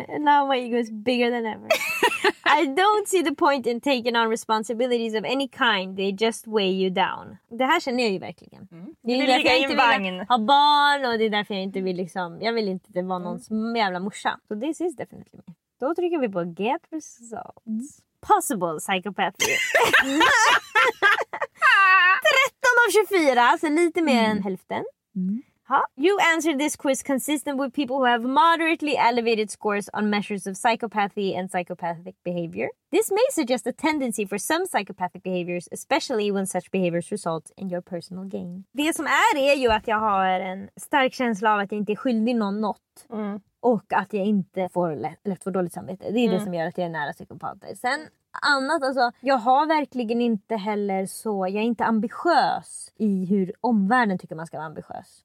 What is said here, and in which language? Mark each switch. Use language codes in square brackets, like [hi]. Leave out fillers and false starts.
[en] And now my ego is bigger than ever. I don't see the point in taking on responsibilities of any kind. They just weigh you down. [sv] Det här känner jag ju verkligen. Mm. Du vill ligga i en vagn. Ha barn och det är därför jag inte vill liksom... Jag vill inte det vara någons jävla morsa. [en] So this is definitely me. [sv] Då trycker vi på [en] get results. Possible psychopathy. [sv] 13 av 24, alltså lite mer än hälften. [en] You answer this quiz consistent with people who have moderately elevated scores on measures of psychopathy and psychopathic behavior. This may suggest a tendency for some psychopathic behaviors, especially when such behaviors result in your personal gain. [sv] Det som är ju att jag har en stark känsla av att jag inte är skyldig någon något. Och att jag inte får lätt för dåligt samvete. Det är det som gör att jag är nära psykopater. Sen annat, alltså, jag har verkligen inte heller så... Jag är inte ambitiös i hur omvärlden tycker man ska vara ambitiös.